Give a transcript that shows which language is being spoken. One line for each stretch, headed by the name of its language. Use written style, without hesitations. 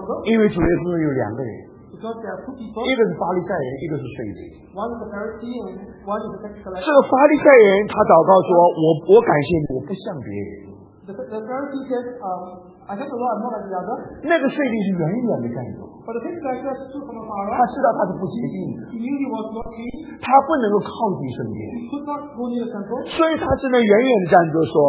Chinese: 因为主耶稣有两个人。一个是法利赛人，一个是税吏。这个法利赛人他祷告说：“我感谢你，我不像别人。”
English: The Pharisee says, "I thank the Lord, I'm not like the others."
Chinese: 那个税吏是远远的看着。
English: But the tax collector stood from afar.
Chinese: 他知道他是不洁净的。
English: He knew he was not clean.
Chinese: 他不能够靠近圣殿。
English: He could not go near the temple.
Chinese: 所以他只能远远的站着说。